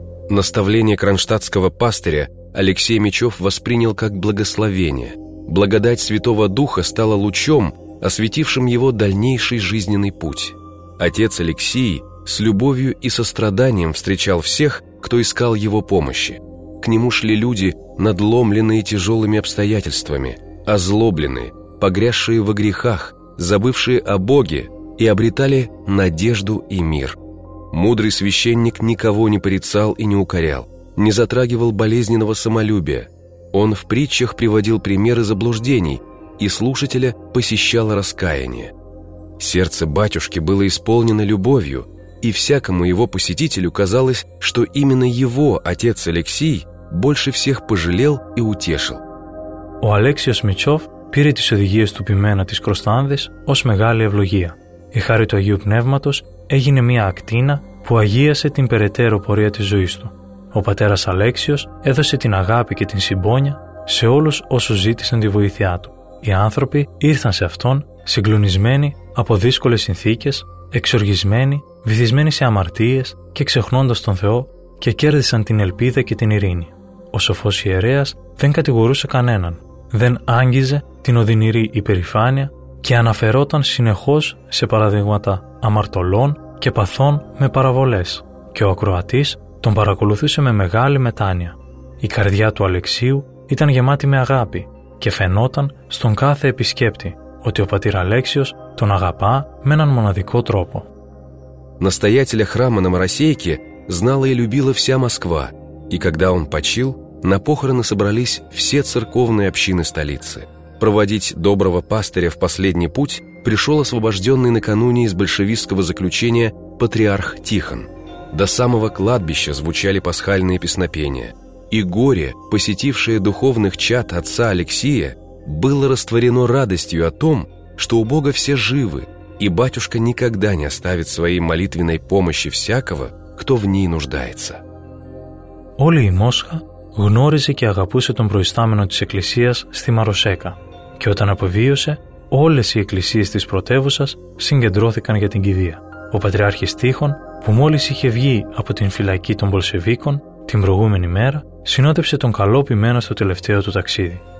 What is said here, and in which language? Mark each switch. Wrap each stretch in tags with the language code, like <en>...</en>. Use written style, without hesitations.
<ru>Наставление кронштадтского пастыря Алексей Мичев воспринял как благословение. Благодать Святого Духа стала лучом, осветившим его дальнейший жизненный путь. Отец Алексей с любовью и состраданием встречал всех, кто искал его помощи. К нему шли люди, надломленные тяжелыми обстоятельствами, озлобленные, погрязшие во грехах, забывшие о Боге и обретали надежду и мир. Мудрый священник никого не порицал и не укорял, не затрагивал болезненного самолюбия. Он в притчах приводил примеры заблуждений, и слушателя посещало раскаяние. Сердце батюшки было исполнено любовью, и всякому его посетителю казалось, что именно его отец Алексей больше всех пожалел и утешил.</ru> <el>У Алексея Смичев пере тис одигие ступимена тис Кростандес ос мегале евлогия. Η χάρη του Αγίου Πνεύματος έγινε μια ακτίνα που αγίασε την περαιτέρω πορεία της ζωής του. Ο πατέρας Αλέξιος έδωσε την αγάπη και την συμπόνια σε όλους όσους ζήτησαν τη βοήθειά του. Οι άνθρωποι ήρθαν σε αυτόν συγκλονισμένοι από δύσκολες συνθήκες, εξοργισμένοι, βυθισμένοι σε αμαρτίες και ξεχνώντας τον Θεό, και κέρδισαν την ελπίδα και την ειρήνη. Ο σοφός ιερέας δεν κατηγορούσε κανέναν, δεν άγγιζε την οδυνηρή υπερηφάνεια και αναφερόταν συνεχώς σε παραδείγματα αμαρτωλών και παθών με παραβολές. Και ο ακροατής τον παρακολουθούσε με μεγάλη μετάνοια. Η καρδιά του Αλεξίου ήταν γεμάτη με αγάπη και φαινόταν στον κάθε επισκέπτη ότι ο πατήρ Αλέξιος τον αγαπά με έναν μοναδικό τρόπο.</el> <ru>Настоятеля храма на Моросейке знала и любила вся Москва, и когда он почил, на похороны собрались все церковные общины столицы. Проводить доброго пастыря в последний путь пришел освобожденный накануне из большевистского заключения патриарх Тихон. До самого кладбища звучали пасхальные песнопения, и горе, посетившее духовных чад отца Алексия, было растворено радостью о том, что у Бога все живы, и батюшка никогда не оставит своей молитвенной помощи всякого, кто в ней нуждается.</ru> <el>Όλη η Μόσχα γνώριζε και αγαπούσε τον προϊστάμενο της Εκκλησίας στη Μαροσέκα, και όταν αποβίωσε, όλες οι εκκλησίες της πρωτεύουσας συγκεντρώθηκαν για την κηδεία. Ο Πατριάρχης Τίχων, που μόλις είχε βγει από την φυλακή των Μπολσεβίκων την προηγούμενη μέρα, συνόδευσε τον καλόπιμένο στο τελευταίο του ταξίδι.</el>